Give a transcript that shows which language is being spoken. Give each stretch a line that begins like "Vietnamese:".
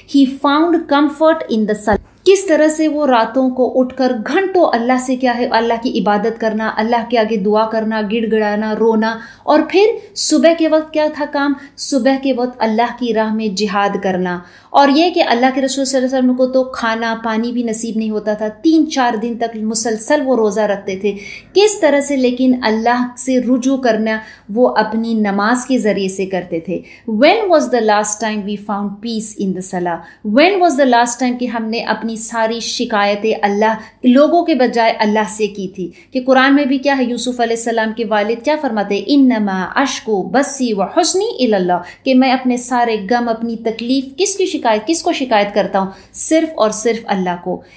English: He found comfort in the Islam.
Urdu: کس طرح سے وہ راتوں کو اٹھ کر گھنٹوں اللہ سے کیا ہے، اللہ کی عبادت کرنا، اللہ کے آگے دعا کرنا، گڑ گڑانا، رونا، اور پھر صبح کے وقت کیا تھا کام؟ صبح کے وقت اللہ کی راہ میں جہاد کرنا. اور یہ کہ اللہ کے رسول صلی اللہ علیہ وسلم کو تو کھانا پانی بھی نصیب نہیں ہوتا تھا، 3-4 دن تک مسلسل وہ روزہ رکھتے تھے. کس طرح سے لیکن اللہ سے رجوع کرنا وہ اپنی نماز کے ذریعے سے کرتے تھے.
English: When was the last time we found peace in the salah? When was the last time
Urdu: کہ ہم نے اپنی ساری شکایتیں اللہ، لوگوں کے بجائے اللہ سے کی تھی؟ کہ قرآن میں بھی کیا ہے، یوسف علیہ السلام کے والد کیا فرماتے ہیں،
Arabic: انما اشکو بسی وحزنی الی اللہ،
Urdu: کہ میں اپنے سارے غم، اپنی تکلیف کس کو شکایت کرتا ہوں؟ صرف اور صرف اللہ کو.